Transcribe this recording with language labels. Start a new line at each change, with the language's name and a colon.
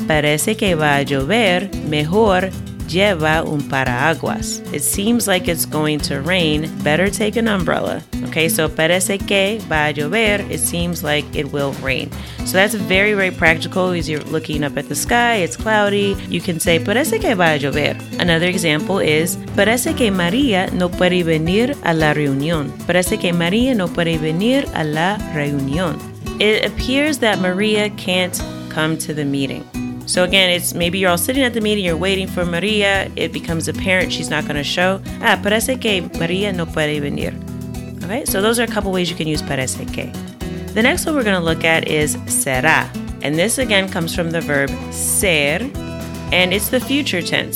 Spanish: Parece que va a llover. Mejor lleva un paraguas.
English: It seems like it's going to rain. Better take an umbrella. Okay, so
Spanish: parece que va a llover.
English: It seems like it will rain. So that's very, very practical as you're looking up at the sky. It's cloudy. You can say
Spanish: parece que va a llover. Another example is parece que María no puede venir a la reunión. Parece que María no puede venir a la reunión.
English: It appears that María can't come to the meeting. So again, it's maybe you're all sitting at the meeting, you're waiting for Maria, it becomes apparent she's not going to show.
Spanish: Ah, parece que Maria no puede venir.
English: Okay, so those are a couple ways you can use parece que. The next one we're going to look at is será. And this again comes from the verb ser, and it's the future tense.